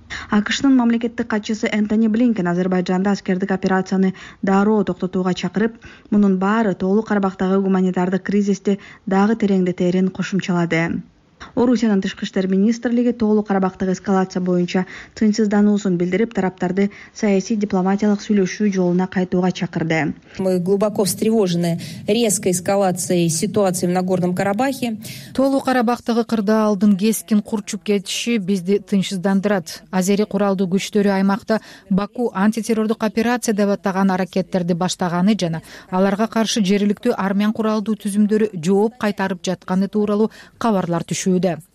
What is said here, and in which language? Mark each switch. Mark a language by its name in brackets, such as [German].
[Kyrgyz] АКШнын мамлекеттик катчысы Энтони Блинкен Азербайжанда аскердик операцияны дароо токтотууга чакырып, мунун баары Тоолук Карабахтагы гуманитардык кризисти дагы тереңдетэрин кошумчалады. Орусиянын тышкы иштер министрлиги Тоолук Карабахтагы эскалация боюнча тынчсыздануусун билдирип, тараптарды саясий дипломатиялык сүйлөшүү жолуна кайтууга чакырды. [Russian] Мы глубоко встревожены резкой эскалацией ситуации в Нагорном Карабахе. [Kyrgyz] Тоолук Карабахтагы кырдаалдын кескин курчуп кетиши бизди тынчсыздандырат. Азери куралдуу күчтөрү аймакта Баку антитеррордук операция деп атаган аракеттерди баштаганы жана аларга каршы жергиликтүү армян куралдуу түзүмдөрү жооп кайтарып жатканы тууралуу кабарлар түшүүдө.